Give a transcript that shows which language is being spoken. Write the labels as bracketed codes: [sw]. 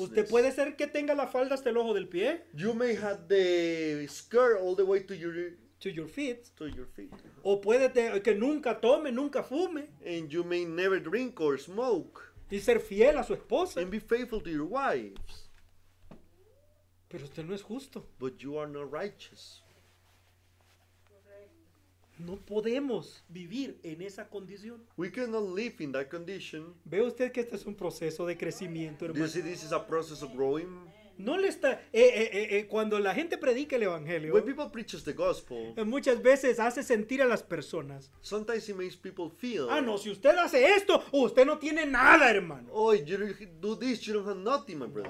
[es] Usted puede ser que tenga la falda hasta el ojo del pie. [en] You may have the skirt all the way to your Feet. To your feet. [es] O puede que nunca tome, nunca fume. [en] And you may never drink or smoke. [es] Y ser fiel a su esposa. [en] And be faithful to your wives. [es] Pero usted no es justo. [en] But you are not righteous. [es] No podemos vivir en esa condición. [en] We cannot live in that condition. [es] ¿Ve usted que este es un proceso de crecimiento, hermano? [en] Do you see this is a process of growing? [es] No le está cuando la gente predica el evangelio. [en] When people preach the gospel. [es] Muchas veces hace sentir a las personas. [en] Sometimes it makes people feel. [es] Ah no, si usted hace esto, usted no tiene nada, hermano. [en] Oh, you do this, you don't have nothing, my brother.